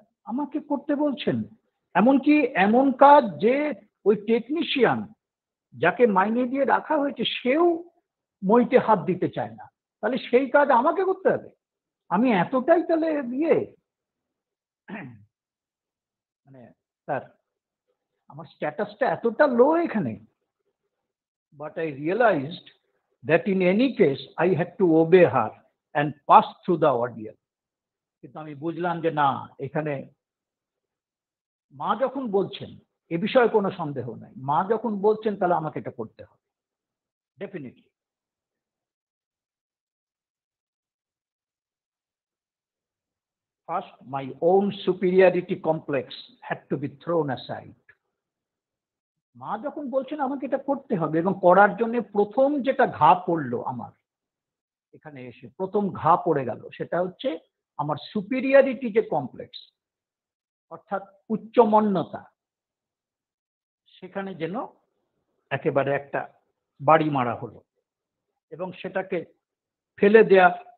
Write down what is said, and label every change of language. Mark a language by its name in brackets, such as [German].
[Bangla] আমাকে করতে বলছেন, এমনকি এমন কাজ যে ওই টেকনিশিয়ান যাকে মাইনে দিয়ে রাখা হয়েছে সেও মইতে হাত দিতে চায় না, তাহলে সেই কাজ আমাকে করতে হবে, আমি এতটাই তাহলে দিয়ে মানে তার আমার স্ট্যাটাসটা এতটা লো এখানে। [English] But I realized that in any case I had to obey her and pass through the ordeal. [Bangla] কিন্তু আমি বুঝলাম যে না, এখানে মা যখন বলছেন এ বিষয়ে কোনো সন্দেহ নাই, মা যখন বলছেন তাহলে আমাকে এটা করতে হবে definitely. [English] First, my own superiority complex had to be thrown aside. [Bangla] মা যখন বলছেন আমাকে এটা করতে হবে, এবং করার জন্য প্রথম যেটা ঘা পড়লো আমার এখানে এসে, প্রথম ঘা পড়ে গেল সেটা হচ্ছে আমার সুপিরিয়রিটি যে কমপ্লেক্স, অর্থাৎ উচ্চমন্যতা, সেখানে যেন একেবারে একটা বাড়ি মারা হলো এবং সেটাকে ফেলে দেওয়া।